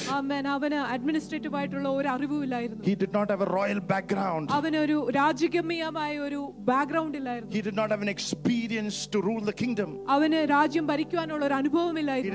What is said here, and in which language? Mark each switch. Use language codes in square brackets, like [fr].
[ml] ആമേൻ അവനെ അഡ്മിനിസ്ട്രേറ്റീവ് ആയിട്ടുള്ള ഒരു അറിവുമില്ലായിരുന്നു. [en] He did not have a royal background. [ml] അവനെ ഒരു രാജഗമ്യമായ ഒരു ബാക്ക്ഗ്രൗണ്ട് ഇല്ലായിരുന്നു. [en] He did not have an experience to rule the kingdom. [ml] അവനെ രാജ്യം ഭരിക്കാനുള്ള ഒരു അനുഭവമില്ലായിരുന്നു.